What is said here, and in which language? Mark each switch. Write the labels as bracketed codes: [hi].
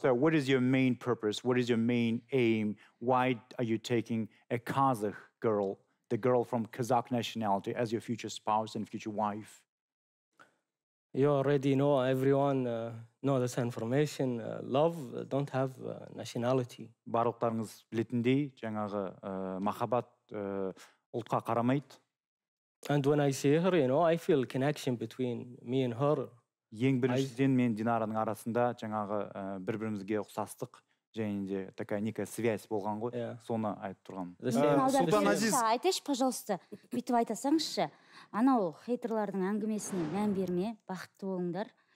[en] So what is your main purpose? What is your main aim? Why are you taking a Kazakh girl, the girl from Kazakh nationality, as your future spouse and future wife? You already know, everyone know this information. Love don't have nationality. [kk] Барлықтарыңыз білетіндей, жаңағы махаббат ұлтқа қарамайды. [en] And when I see her, you know, I feel a connection between me and her. [kk] Ең біріншіден мен Динараның арасында жаңағы бір-бірімізге ұқсастық және де [ru] такая некая связь [kk] болған ғой, соны айтып тұрған. Сұлтан Азиз, айтшы, пожалуйста, бүйтіп айтасаңызшы, анау хейтерлардың әңгімесіне мән берме, бақытты болыңдар.